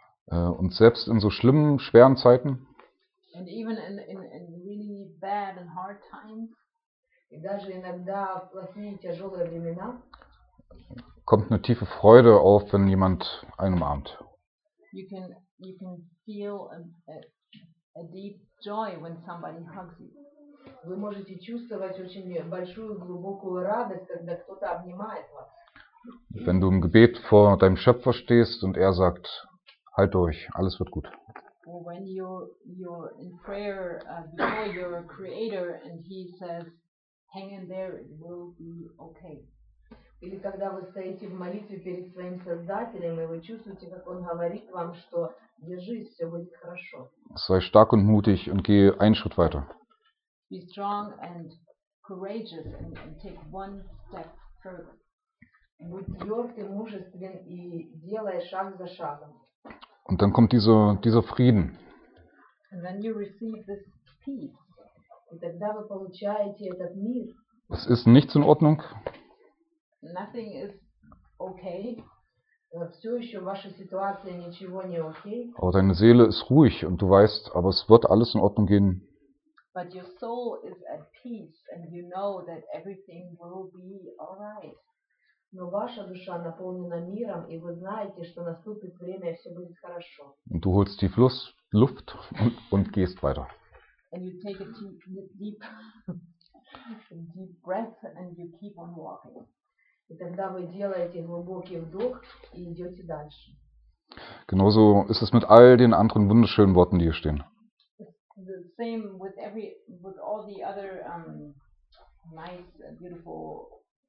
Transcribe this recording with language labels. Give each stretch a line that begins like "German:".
German: Und selbst in so schlimmen, schweren Zeiten,
English: and even in really bad and hard times,
Russian: и даже иногда плохие, тяжелые времена,
German: kommt eine tiefe Freude auf, wenn jemand einen umarmt.
English: You can feel a deep joy when somebody hugs you.
Russian: Вы можете чувствовать очень большую, глубокую радость, когда кто-то обнимает вас.
German: Wenn du im Gebet vor deinem Schöpfer stehst und er sagt, halt durch, alles wird gut.
English: Or when you're in prayer before your creator and he says, hang in there, it will be okay.
Russian: Или когда вы стоите в молитве перед своим Создателем, и вы чувствуете, как он говорит вам, что держись, все будет хорошо.
German: Sei stark und mutig und geh einen Schritt weiter.
English: Be strong and courageous and take one step further.
Russian: Будь тверд и мужествен и делай шаг за шагом.
German: Und dann kommt dieser Frieden.
English: And then you receive this peace.
German: Und
Russian: тогда вы получаете этот мир.
German: Es ist nichts in Ordnung.
English: Nothing is okay.
Russian: Все еще ваша ситуация ничего не okay.
German: Aber deine Seele ist ruhig und du weißt, aber es wird alles in Ordnung gehen.
English: But your soul is at peace and you know that everything will be all right.
Russian: Но ваша душа наполнена миром, и вы знаете, что наступит время, и все будет хорошо.
German: Und du holst tief Luft und gehst weiter.
English: And you take a deep breath and you keep on walking.
Russian: И тогда вы делаете глубокий вдох и идете дальше.
German: Genauso ist es mit all den anderen wunderschönen Worten, die hier stehen.
English: The same with all the other nice, beautiful